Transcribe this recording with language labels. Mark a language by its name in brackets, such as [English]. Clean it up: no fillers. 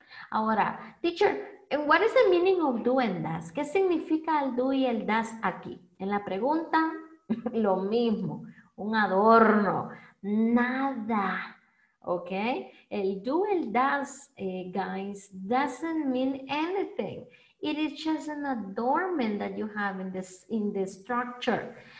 [English] Ahora, teacher, what is the meaning of do and does? [Spanish] ¿Qué significa el do y el does aquí? En la pregunta, lo mismo, un adorno, nada, ¿ok? El do, el does, [English] guys, doesn't mean anything. It is just an adornment that you have in the structure.